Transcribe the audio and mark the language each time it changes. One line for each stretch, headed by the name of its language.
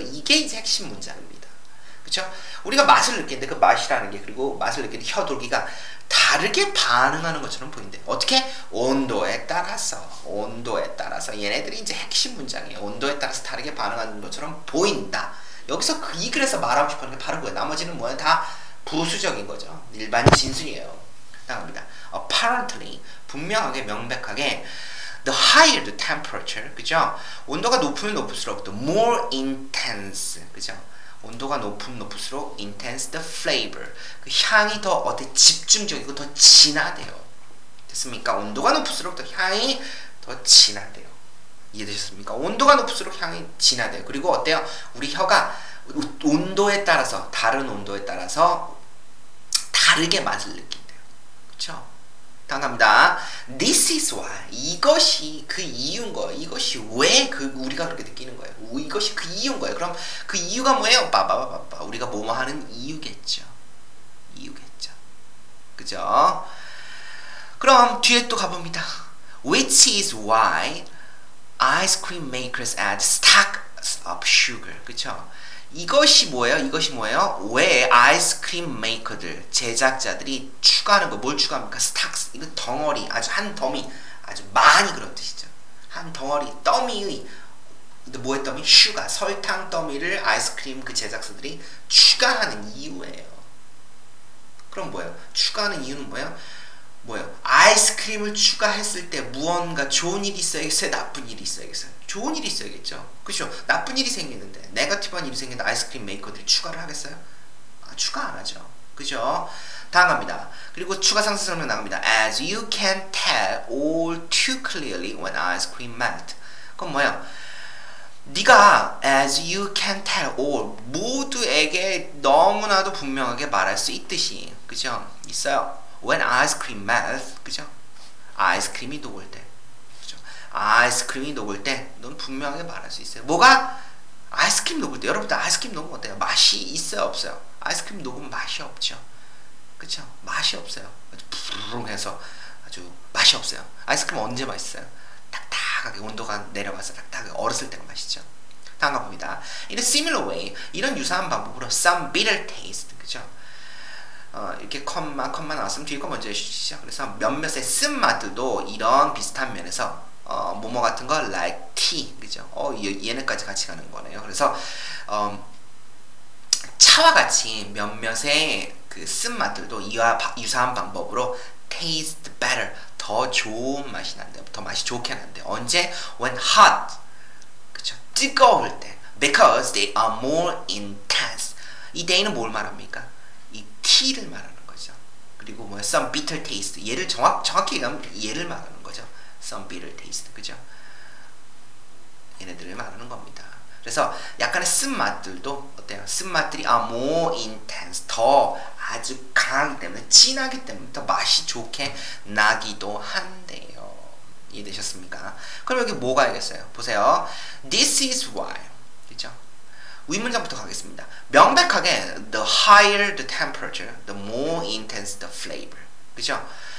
Korean: 이게 이제 핵심 문장입니다. 그쵸? 우리가 맛을 느끼는데 그 맛이라는 게, 그리고 맛을 느끼는 혀 돌기가 다르게 반응하는 것처럼 보인대요. 어떻게? 온도에 따라서. 얘네들이 이제 핵심 문장이에요. 온도에 따라서 다르게 반응하는 것처럼 보인다. 여기서 그 이 글에서 말하고 싶은 게 바로 그거예요. 나머지는 뭐예요? 다 부수적인 거죠. 일반 진술이에요. 나갑니다.
English: Apparently,
Korean: 분명하게 명백하게
English: the higher the temperature,
Korean: 그죠? 온도가 높으면 높을수록
English: the more intense,
Korean: 그죠? 온도가 높으면 높을수록
English: intense the flavor.
Korean: 그 향이 더 어때? 집중적이고 더 진하대요. 됐습니까? 온도가 높을수록 더 향이 더 진하대요. 이해되셨습니까? 온도가 높을수록 향이 진하대요. 그리고 어때요? 우리 혀가 온도에 따라서, 다른 온도에 따라서 다르게 맛을 느낀대요. 그쵸? 다음 갑니다.
English: This is why.
Korean: 이것이 그 이유인 거예요. 이것이 왜 그 우리가 그렇게 느끼는 거예요. 이것이 그 이유인 거예요. 그럼 그 이유가 뭐예요? 빠바바바바. 우리가 뭐뭐 하는 이유겠죠. 이유겠죠. 그죠? 그럼 뒤에 또 가봅니다.
English: Which is why ice cream makers add stacks of sugar.
Korean: 그쵸? 이것이 뭐예요? 왜 아이스크림 메이커들, 제작자들이 추가하는 거, 뭘 추가합니까?
English: stacks.
Korean: 이거 덩어리, 아주 한 더미, 아주 많이 그런 뜻이죠. 한 덩어리, 더미의, 뭐의 더미? 슈가, 설탕 더미를 아이스크림 그 제작사들이 추가하는 이유예요. 그럼 뭐예요? 추가하는 이유는 뭐예요? 뭐요? 아이스크림을 추가했을 때 무언가 좋은 일이 있어야겠어요? 나쁜 일이 있어야겠어요? 좋은 일이 있어야겠죠? 그죠? 나쁜 일이 생기는데, 네거티브한 일이 생기는데 아이스크림 메이커들이 추가를 하겠어요? 아, 추가 안 하죠. 그죠? 다음 갑니다. 그리고 추가 상세 설명 나갑니다.
English: As you can tell all too clearly when ice cream melt.
Korean: 그건 뭐예요? 네가
English: as you can tell all
Korean: 모두에게 너무나도 분명하게 말할 수 있듯이, 그죠? 있어요.
English: When ice cream melts,
Korean: 그죠? 아이스크림이 녹을 때, 그죠? 아이스크림이 녹을 때, 넌 분명하게 말할 수 있어요. 뭐가? 아이스크림 녹을 때. 여러분들 아이스크림 녹으면 어때요? 맛이 있어요? 없어요? 아이스크림 녹으면 맛이 없죠? 그죠? 맛이 없어요. 아주 부르릉해서 아주 맛이 없어요. 아이스크림 언제 맛있어요? 딱딱하게 온도가 내려와서 딱딱하게 얼었을 때가 맛있죠? 다음 가봅니다.
English: In a similar way,
Korean: 이런 유사한 방법으로
English: some bitter taste,
Korean: 그죠? 이렇게 컴마 나왔으면 뒤에 거 먼저 해주시죠. 그래서 몇몇의 쓴맛도 이런 비슷한 면에서 뭐뭐 같은 거
English: like tea,
Korean: 그죠? 얘네까지 같이 가는 거네요. 그래서 차와 같이 몇몇의 그 쓴맛도 이와 유사한 방법으로
English: taste better,
Korean: 더 좋은 맛이 난대요. 더 맛이 좋게 난대요. 언제?
English: When hot,
Korean: 그죠? 뜨거울 때.
English: Because they are more intense.
Korean: 이 day는 뭘 말합니까? 이 티를 말하는 거죠. 그리고 뭐
English: some bitter taste.
Korean: 얘를 정확히 얘기하면 얘를 말하는 거죠.
English: some bitter taste.
Korean: 그죠? 얘네들을 말하는 겁니다. 그래서 약간의 쓴맛들도 어때요? 쓴맛들이
English: more intense.
Korean: 더 아주 강하기 때문에, 진하기 때문에 더 맛이 좋게 나기도 한대요. 이해되셨습니까? 그럼 여기 뭐가 있겠어요? 보세요.
English: This is why.
Korean: 그죠? 의문점부터 가겠습니다. 명백하게
English: the higher the temperature, the more intense the flavor.
Korean: 그죠?